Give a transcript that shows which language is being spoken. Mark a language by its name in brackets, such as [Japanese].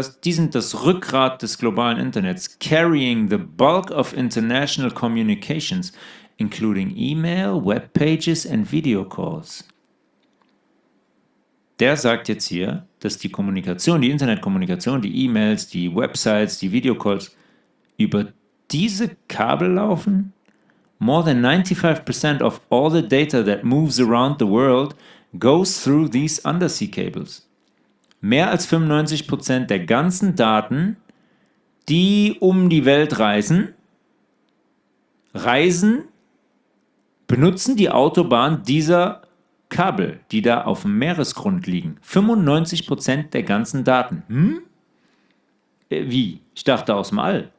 [German] Die sind das Rückgrat des globalen Internets, [English] carrying the bulk of international communications, including email, webpages and video calls. [German] Der sagt jetzt hier, dass die Kommunikation, die Internetkommunikation, die E-Mails, die Websites, die Videocalls über diese Kabel laufen. [English] More than 95% of all the data that moves around the world goes through these undersea cables. [German] Mehr als 95% der ganzen Daten, die um die Welt reisen, benutzen die Autobahn dieser Kabel, die da auf dem Meeresgrund liegen. 95% der ganzen Daten. Wie? Ich dachte aus dem All.